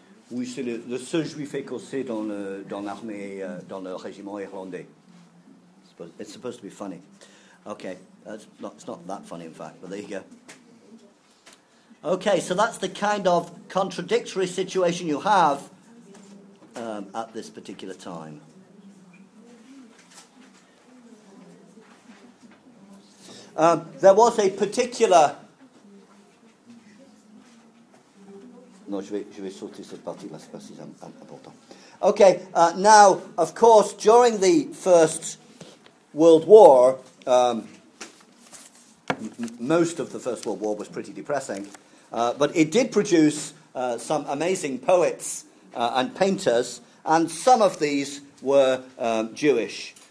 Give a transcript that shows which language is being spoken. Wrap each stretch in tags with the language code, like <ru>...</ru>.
<fr>Oui, c'est le seul juif écossais dans l'armée, dans le régiment irlandais.</fr> <en>It's supposed to be funny. Okay, it's not that funny, in fact, but there you go. Okay, so that's the kind of contradictory situation you have at this particular time. There was a particular...</en> <fr>Non, je vais sauter cette partie-là, c'est pas si important.</fr> <en>Okay, now, of course, during the First World War, most of the First World War was pretty depressing, but it did produce some amazing poets and painters, and some of these were Jewish.</en>